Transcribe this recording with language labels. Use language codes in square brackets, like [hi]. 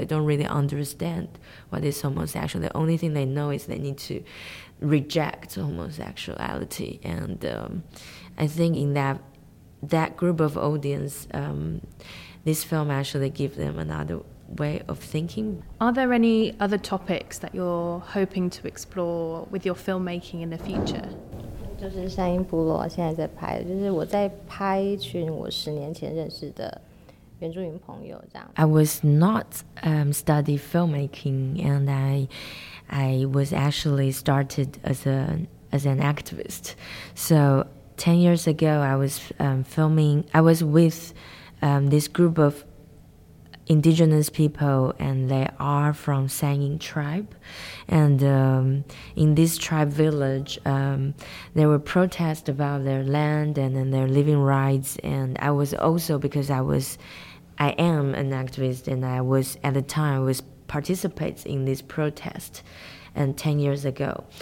[en] They don't really understand what is homosexual. The only thing they know is they need to reject homosexuality. And I think in that group of audience, this film actually gives them another way of thinking. Are there any other topics that you're hoping to explore with your filmmaking in the future? [zh] 就是山鹰部落现在在拍，就是我在拍一群我十年前认识的原住民朋友这样。 [en] I was not study filmmaking, and I was actually started as an activist. So 10 years ago, I was filming. I was with this group of indigenous people, and they are from Sanying tribe, and in this tribe village there were protests about their land and then their living rights, and I was also, because I am an activist, and I was at the time was participating in this protest and 10 years ago.